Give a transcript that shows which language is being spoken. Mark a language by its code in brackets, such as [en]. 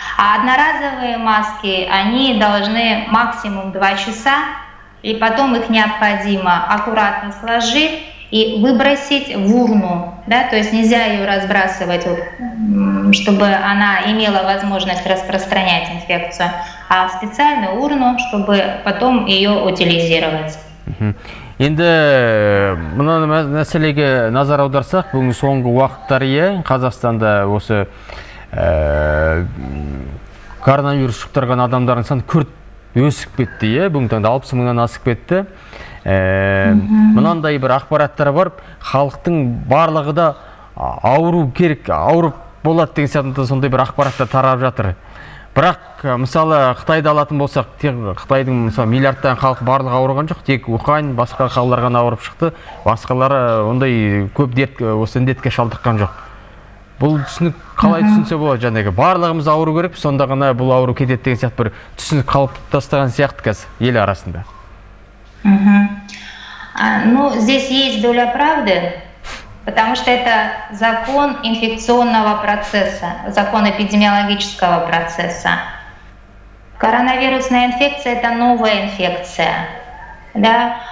[ru] А одноразовые маски, они должны максимум 2 часа, и потом их необходимо аккуратно сложить и выбросить в урну. Да? То есть нельзя ее разбрасывать, вот, чтобы она имела возможность распространять инфекцию, а в специальную урну, чтобы потом ее утилизировать. [kk] Енді мына мәселеге назар аударсақ, бүгін соңғы уақыттар, е, Қазақстанда осы коронавирус жұқтырған адамдардың саны күрт өсіп кетті, е, бүгін таңда 60 мыңнан асып кетті. Мынандай бір ақпараттар бар, халықтың барлығы да ауру керек, ауырып болады деген сияқты сондай бір ақпаратта тарап жатыр. Бірақ мысалы Қытайды алатын болсақ, тек Қытайдың мысалы миллиардтан халқы барлығы ауырған жоқ, тек Ухань басқа қалаларға ауырып шықты. Басқалары ондай көп дерт осы індетке шалдыққан жоқ. Бұл түсінік қалай түсінсе болады, жаңағы барлығымыз ауыру керек, сонда ғана бұл ауру кетеді деген сияқты бір түсінік қалыптастырған сияқты қазір ел арасында. [ru] Ну, здесь есть доля правды, потому что это закон инфекционного процесса, закон эпидемиологического процесса. Коронавирусная инфекция — это новая инфекция. Да?